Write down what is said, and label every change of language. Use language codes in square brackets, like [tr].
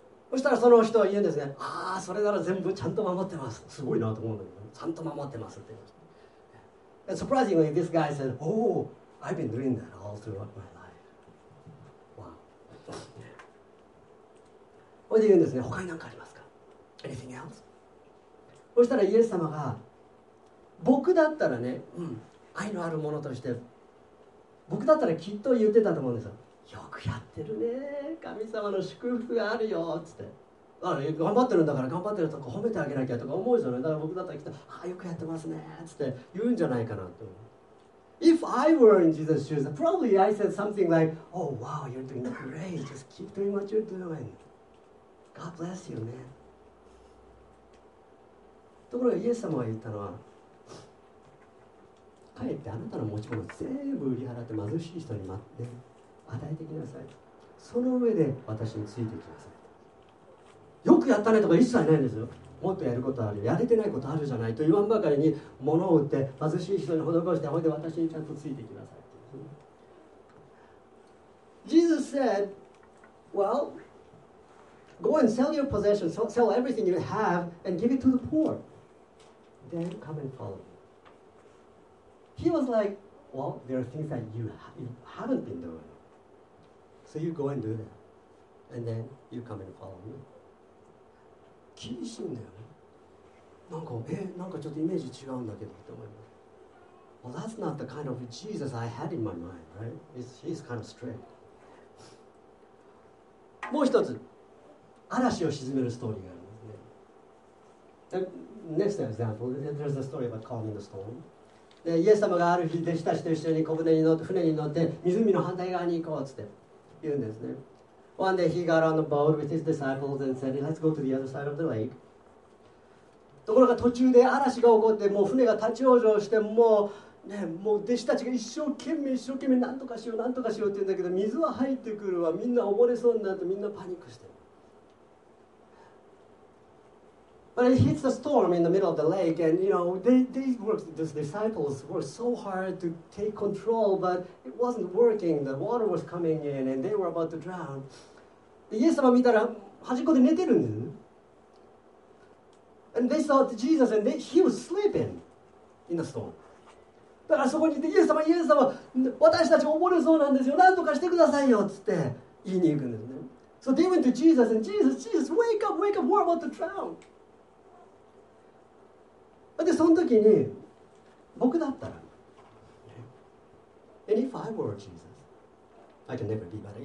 [ja] そしたらその人は言うんですね、ああ、それなら全部ちゃんと守ってます。すごいなと思うんだけど、ちゃんと守ってますって言いました。 [en] And surprisingly, this guy said, oh, I've been doing that all throughout my life. Wow. [ja] それで言うんですね、他に何かありますか? [en] Anything else? [ja] そしたらイエス様が僕だったらね、うん、愛のあるものとして僕だったらきっと言ってたと思うんですよ。よくやってるね、神様の祝福があるよっつって、あの頑張ってるんだから頑張ってるとか褒めてあげなきゃとか思うじゃない。だから僕だったらきっとああよくやってますねっつって言うんじゃないかなと思う。 [en] If I were in Jesus' shoes, probably I said something like, Oh wow, you're doing great. Just keep doing what you're doing. God bless you, man. [ja] ところがイエス様が言ったのは、かえってあなたの持ち物を全部売り払って貧しい人に待って与えてきなさい。その上で私についてきなさい。よくやったねとか一切ないんですよ。もっとやることあるよ。やれてないことあるじゃないと言わんばかりに物を売って貧しい人に施して、それで私にちゃんとついてきなさい。 [en] Jesus said, Well, go and sell your possessions, sell everything you have and give it to the poor. Then come and follow me. He was like, well, there are things that you haven't been doing. So you go and do that. And then you come and follow me. [ja] 厳しいんだよね。なんか、なんかちょっとイメージ違うんだけどって思います。 [en] Well, that's not the kind of Jesus I had in my mind, right? He's kind of strict. [ja] もう一つ、嵐を沈めるストーリーがあるんですね。 [en] Next example, there's a story about calming the storm. [ja] で、イエス様がある日弟子たちと一緒に船に乗って湖の反対側に行こうって言うんですね。 [en] One day he got on a boat with his disciples and said, Let's go to the other side of the lake. [ja] ところが途中で嵐が起こって、もう船が立ち往生して、もうね、もう弟子たちが一生懸命なんとかしようって言うんだけど、水は入ってくるわ、みんな溺れそうになってみんなパニックしてる。 [en] But it hits a storm in the middle of the lake, and you know, those disciples worked so hard to take control, but it wasn't working. The water was coming in, and they were about to drown. [ja] イエス様見たら端っこで寝てるんです。 [en] And they saw Jesus, and he was sleeping in the storm. [ja] だからそこにイエス様、イエス様、私たち溺れそうなんですよ。なんとかしてくださいよ、つって言いに行くんですね。 [en] So they went to Jesus, and Jesus, wake up, we're about to drown. [ja] で、その時に僕だったら、 [en] And if I were Jesus, I can never be better.